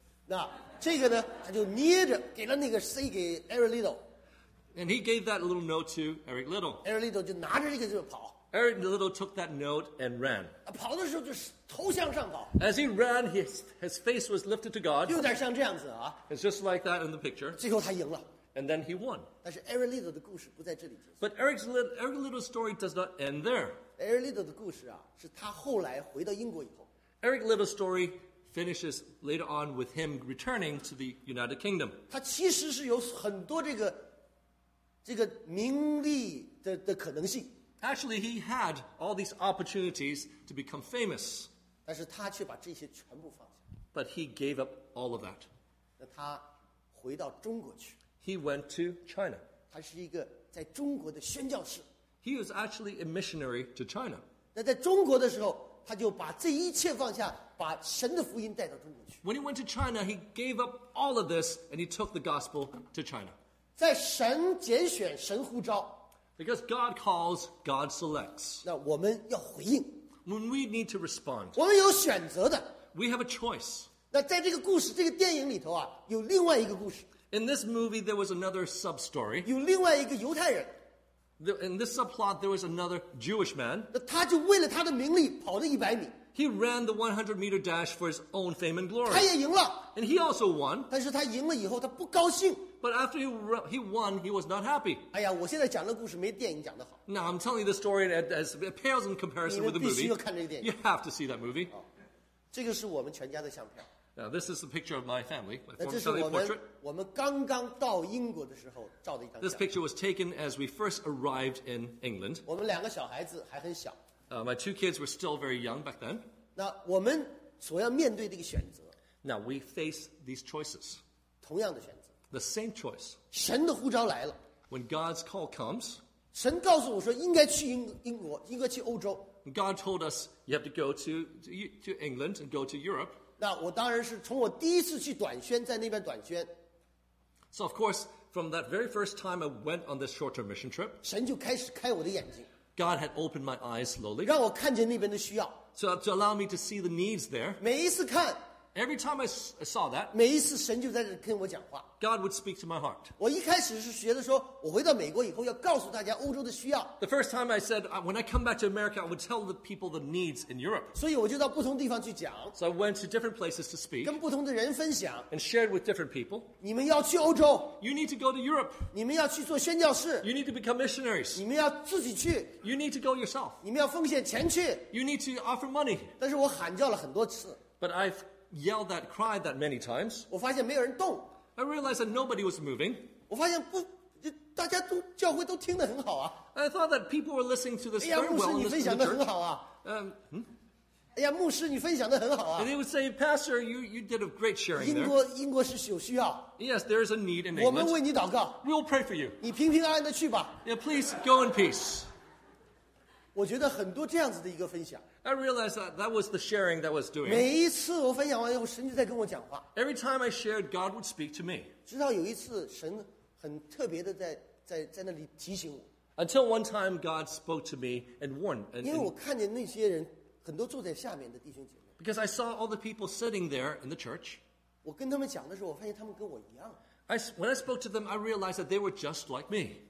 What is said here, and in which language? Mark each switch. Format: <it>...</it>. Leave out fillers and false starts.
<zh>那这个呢，他就捏着给了那个塞给 Eric Little.</zh> <en>And he gave that little note to Eric Little.</en> <zh>Eric Little 就拿着这个就跑。</zh> <en>Eric Little took that note and ran.</en> <zh>跑的时候就是头向上跑。</zh> <en>As he ran, his face was lifted to God.</en> <zh>有点像这样子啊。</zh> <en>It's just like that in the picture.</en> <zh>最后他赢了。</zh> <en>And then he won.</en> <zh>但是 Aaron Little 的故事不在这里结束。</zh> <en>But Eric Little's story does not end there.</en> <zh>Aaron Little 的故事啊，是他后来回到英国以后。</zh> <en>Eric Little's story finishes later on with him returning to the United Kingdom.</en> <zh>他其实是有很多这个名利的可能性。</zh> <en>Actually, he had all these opportunities to become famous.</en> <zh>但是他却把这些全部放下。</zh> <en>But he gave up all of that.</en> <zh>那他回到中国去。</zh> <en>He went to China.</en> <zh>他是一个在中国的宣教士。</zh> <en>He was actually a missionary to China.</en> <zh>那在中国的时候，他就把这一切放下，把神的福音带到中国去。</zh> <en>When he went to China, he gave up all of this and he took the gospel to China.</en> <zh>在神拣选，神呼召。</zh> <en>Because God calls, God selects.</en> <zh>那我们要回应。</zh> <en>When we need to respond.</en> <zh>我们有选择的。</zh> <en>We have a choice.</en> <zh>那在这个故事，这个电影里头啊，有另外一个故事。</zh> <en>In this movie, there was another sub-story.</en> <zh>有另外一个犹太人。</zh> <en>In this subplot, there was another Jewish man.</en> <zh>那他就为了他的名利跑了一百米。</zh> <en>He ran the 100 meter dash for his own fame and glory.</en> <zh>他也赢了。</zh> <en>And he also won.</en> <zh>但是他赢了以后，他不高兴。</zh> <en>But after he won, he was not happy.</en> <zh>哎呀，我现在讲的故事没电影讲的好。</zh> <en>Now I'm telling you the story as it pales in comparison with the movie.</en> <zh>你们必须要看这个电影。</zh> <en>You have to see that movie.</en> <zh>这个是我们全家的相片。</zh> <en>Now, this is the picture of my family, my family portrait.</en> <zh>我们刚刚到英国的时候照的一张。</zh> <en>This picture was taken as we first arrived in England.</en> <zh>我们两个小孩子还很小。</zh> <en>My two kids were still very young back then.</en> <zh>那我们所要面对的一个选择。</zh> <en>Now we face these choices.</en> <zh>同样的选择。</zh> <en>The same choice.</en> <zh>神的呼召来了。</zh> <en>When God's call comes,</en> <zh>神告诉我说应该去英国，应该去欧洲。</zh> <en>God told us you have to go to England and go to Europe.</en> <zh>那我当然是从我第一次去短宣，在那边短宣。</zh> <en>So of course, from that very first time I went on this short-term mission trip,</en> <zh>神就开始开我的眼睛。</zh> <en>God had opened my eyes slowly.</en> <zh>让我看见那边的需要。</zh> <en>So to allow me to see the needs there.</en> <zh>每一次看。</zh> <en>Every time I saw that,</en> <zh>每一次神就在这跟我讲话。</zh> <en>God would speak to my heart.</en> <zh>我一开始是学的说，我回到美国以后要告诉大家欧洲的需要。</zh> <en>The first time I said, when I come back to America, I would tell the people the needs in Europe.</en> <zh>所以我就到不同地方去讲。</zh> <en>So I went to different places to speak.</en> <zh>跟不同的人分享。</zh> <en>And shared with different people.</en> <zh>你们要去欧洲。</zh> <en>You need to go to Europe.</en> <zh>你们要去做宣教士。</zh> <en>You need to become missionaries.</en> <zh>你们要自己去。</zh> <en>You need to go yourself.</en> <zh>你们要奉献钱去。</zh> <en>You need to offer money.</en> <zh>但是我喊叫了很多次。</zh> <en>But I've yelled that, cried that many times.</en> <zh>我发现没有人动。</zh> <en>I realized that nobody was moving.</en> <zh>我发现不，大家都教会都听得很好啊。</zh> <en>I thought that people were listening to this very well.</en> <zh>哎呀，牧师，你分享的很好啊。哎呀，牧师，你分享的很好啊。</zh> <en>And they would say, Pastor, you did a great sharing there.</en> <zh>英国是有需要。</zh> <en>Yes, there is a need in England.</en> <zh>我们为你祷告。</zh> <en>We will pray for you.</en> <zh>你平平安安的去吧。</zh> <en>Yeah, please go in peace.</en> <zh>我觉得很多这样子的一个分享。</zh> <en>I realized that was the sharing that was doing.</en> <zh>每一次我分享完以后，神就在跟我讲话。</zh> <en>Every time I shared, God would speak to me.</en> <zh>直到有一次，神很特别的在那里提醒我。</zh> <en>Until one time, God spoke to me and warned. And,</en> <zh>因为我看见那些人很多坐在下面的弟兄姐妹。</zh> <en>Because I saw all the people sitting there in the church.</en> <zh>我跟他们讲的时候，我发现他们跟我一样。</zh> <en>When I spoke to them, I realized that they were just like me.</en>